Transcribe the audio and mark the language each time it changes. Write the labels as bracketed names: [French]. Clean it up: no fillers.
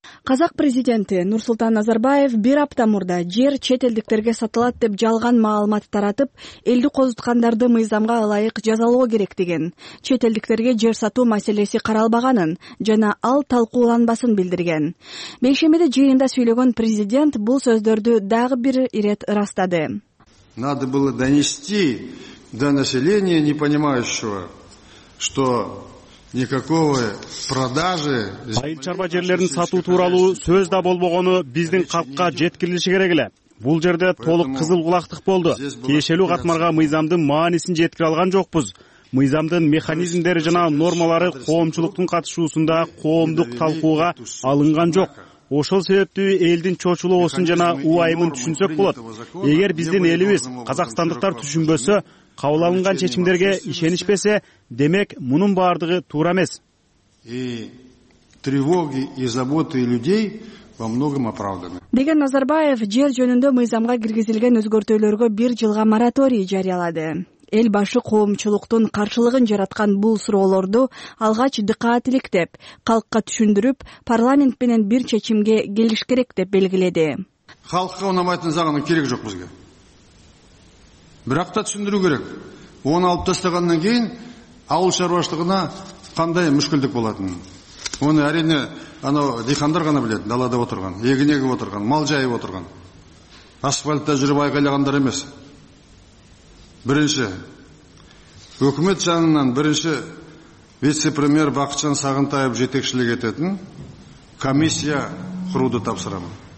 [Kyrgyz] Казак президенти Нурсултан Назарбаев бир апта мурда жер чет элдиктерге сатылат деп жалган маалымат таратып, элди козуткандарды мыйзамга ылайык жазалоо керек деген, чет элдиктерге жер сатуу маселеси каралбаганын жана ал талкууланбасын билдирген. Бейшембиде жыйында сүйлөгөн президент бул сөздөрдү дагы бир ирет ырастады. [Russian] Надо было донести до населения, не понимающего, что никакого продажи... [Kyrgyz] Айыл чарба жерлерин сатуу тууралуу сөз да болбогону биздин калкка жеткирилиши керек эле. Бул жерде толук кызыл кулактык болду. Тиешелүү катмарга мыйзамдын маанисин жеткире алган жокпуз. Мыйзамдын механизмдери жана нормалары коомчулуктун катышуусунда коомдук талкууга алынган жок. Ошол себептүү элдин чочулоосун жана убайымын түшүнсөк болот. Эгер биздин элибиз казакстандыктар түшүнбөсө, кабыл алынган чечимдерге ишенишпесе, демек мунун баардыгы туура эмес. [Russian] И тревоги и заботы людей во многом оправданы. [Kyrgyz] Деген Назарбаев жер жөнүндө мыйзамга киргизилген өзгөртүүлөргө бир жылга мораторий жарыялады. Эл башы коомчулуктун каршылыгын жараткан бул суроолорду алгач дыкат иликтеп, калкка түшүндүрүп, парламент менен бир чечимге келиш керек деп белгиледи. [Kazakh] Калкка унабайтын заңдын кереги жок бизге. Бирок да түшүндүрүү керек. Аны алып тастагандан кийин ауыл чарбачылыгына кандай мүшкүлдүк болотун. Оны әрине анау дихандар ғана біледі, далада отырған, егін егіп отырған, мал жайып отырған. Асфальтта жүріп айқайлағандар емес. Бірінші, үкімет жанынан бірінші вице-премьер Бақытжан Сағынтаев жетекшілік ететін комиссия құруды тапсырамын.